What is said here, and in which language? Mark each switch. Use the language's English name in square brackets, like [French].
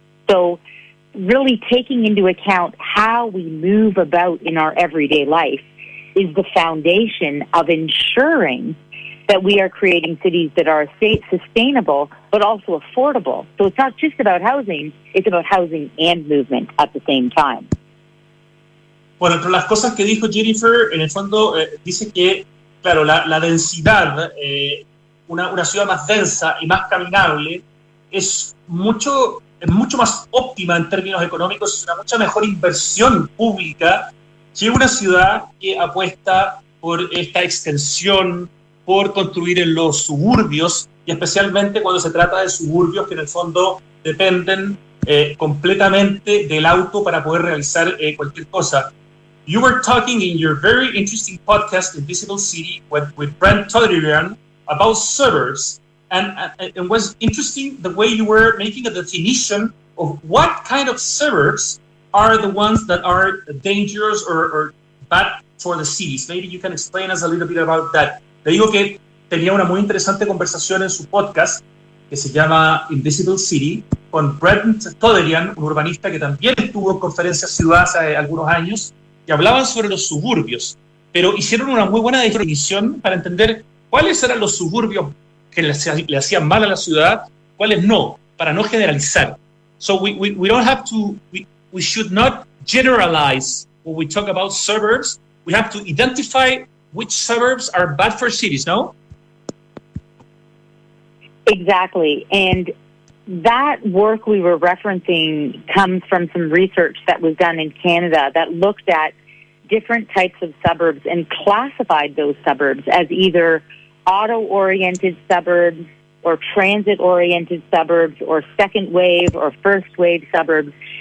[English] So really taking into account how we move about in our everyday life is the foundation of ensuring that we are creating cities that are sustainable, but also affordable. So it's not just about housing, it's about housing and movement at the same time. [Spanish] Bueno, entre las cosas que dijo Jennifer, en el fondo dice que, claro, la densidad, una ciudad más densa y más caminable, es mucho más óptima en términos económicos, es una mucha mejor inversión pública que una ciudad que apuesta por esta extensión, por construir en los suburbios, y especialmente cuando se trata de suburbios que en el fondo dependen completamente del auto para poder realizar cualquier cosa. [English] You were talking in your very interesting podcast, Invisible City, with Brent Toderian about suburbs, and it was interesting the way you were making a definition of what kind of suburbs are the ones that are dangerous or bad for the cities. Maybe you can explain us a little bit about that. [Spanish] Le digo que tenía una muy interesante conversación en su podcast, que se llama Invisible City, con Brent Toderian, un urbanista que también estuvo en Conferencia Ciudad hace algunos años, y hablaban sobre los suburbios, pero hicieron una muy buena definición para entender cuáles eran los suburbios que le hacían mal a la ciudad, cuáles no, para no generalizar. [English] So we should not generalize when we talk about suburbs. We have to identify which suburbs are bad for cities, no? Exactly. And that work we were referencing comes from some research that was done in Canada that looked at different types of suburbs and classified those suburbs as either auto-oriented suburbs or transit-oriented suburbs or second wave or first wave suburbs.